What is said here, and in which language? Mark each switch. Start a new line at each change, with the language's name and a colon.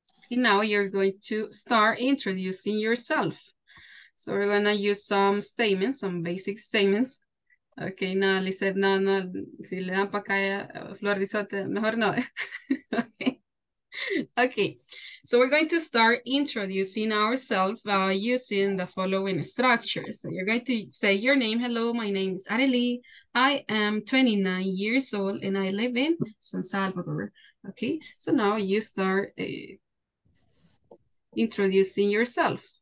English: And now you're going to start introducing yourself. So we're going to use some statements, some basic statements.
Spanish: Okay, no, Lizeth, no, si le dan para acá, flor de isote, mejor no.
English: Okay, so we're going to start introducing ourselves using the following structure. So you're going to say your name. Hello, my name is Arely. I am 29 years old and I live in San Salvador. Okay, so now you start introducing yourself.